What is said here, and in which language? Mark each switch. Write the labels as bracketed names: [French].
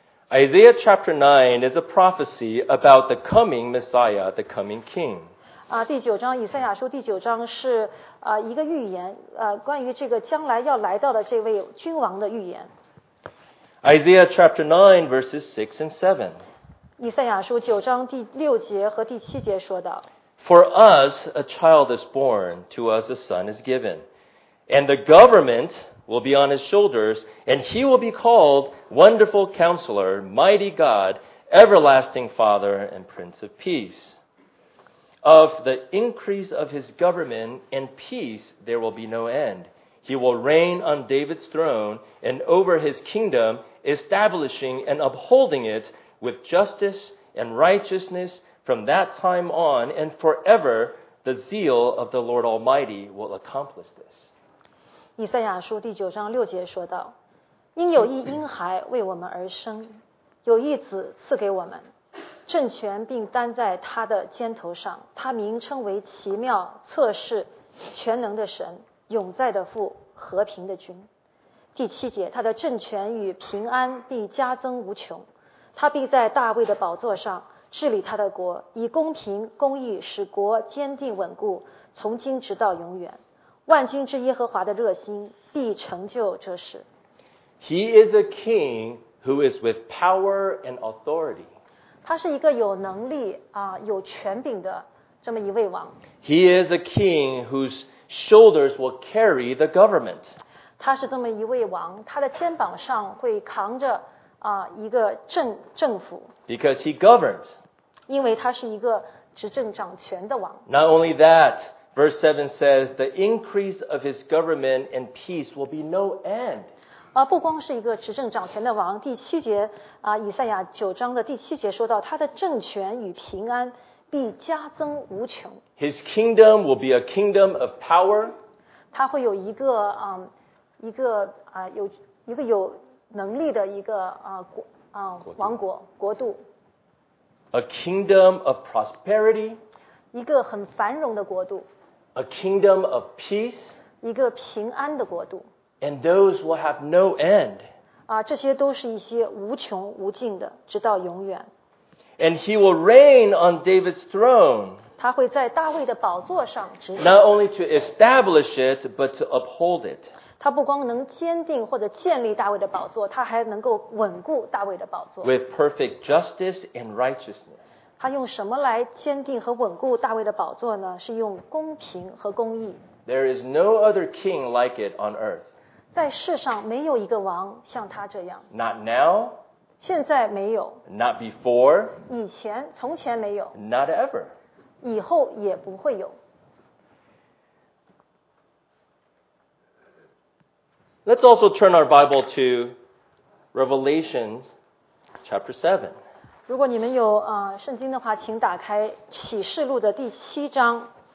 [English] Isaiah chapter 9 is a prophecy about the coming Messiah, the coming King. [Chinese] 第九章以赛亚书第九章是一个预言，关于这个将来要来到的这位君王的预言。 [English] Isaiah chapter 9 verses 6 and 7. [Chinese] 以赛亚书九章第六节和第七节说道。 [English] For us, a child is born, to us a son is given. And the government will be on his shoulders, and he will be called Wonderful Counselor, Mighty God, Everlasting Father, and Prince of Peace. Of the increase of his government and peace there will be no end. He will reign on David's throne and over his kingdom, establishing and upholding it with justice and righteousness from that time on and forever. The zeal of the Lord Almighty will accomplish this. [Chinese] 以赛亚书第九章六节说道，因有一婴孩为我们而生，有一子赐给我们，政权并担在他的肩头上，他名称为奇妙、策士、全能的神、永在的父、和平的君。第七节，他的政权与平安必加增无穷，他必在大卫的宝座上治理他的国，以公平公义使国坚定稳固，从今直到永远。万军之耶和华的热心必成就这事。 [English] He is a king who is with power and authority. [Chinese] 他是一个有能力啊，有权柄的这么一位王。 [English] He is a king whose shoulders will carry the government. [Chinese] 他是这么一位王，他的肩膀上会扛着啊一个政府。 [English] Because he governs. [Chinese] 因为他是一个执政掌权的王。 [English] Not only that. Verse 7 says, the increase of his government and peace will be no end. [Chinese] 不光是一个执政掌权的王，第七节，以赛亚九章的第七节说到，他的政权与平安必加增无穷。 [English] His kingdom will be a kingdom of power. [Chinese] 他会有一个，一个有能力的一个，王国，国度。 [English] A kingdom of prosperity. [Chinese] 一个很繁荣的国度。 [English] A kingdom of peace, [Chinese] 一个平安的国度 [English] and those will have no end. [Chinese] 这些都是一些无穷无尽的，直到永远。 [English] And he will reign on David's throne. [Chinese] 他会在大卫的宝座上执政。 [English] Not only to establish it, but to uphold it. [Chinese] 他不光能坚定或者建立大卫的宝座，他还能够稳固大卫的宝座。 [English] With perfect justice and righteousness. [Chinese] 他用什么来坚定和稳固大卫的宝座呢？是用公平和公义。 [English] There is no other king like it on earth. [Chinese] 在世上没有一个王像他这样。 [English] Not now. [Chinese] 现在没有。 [English] Not before. [Chinese] 以前，从前没有。 [English] Not ever. [Chinese] 以后也不会有。 [English] Let's also turn our Bible to Revelation chapter 7. [Chinese] 如果你们有圣经的话，请打开启示录的第七章。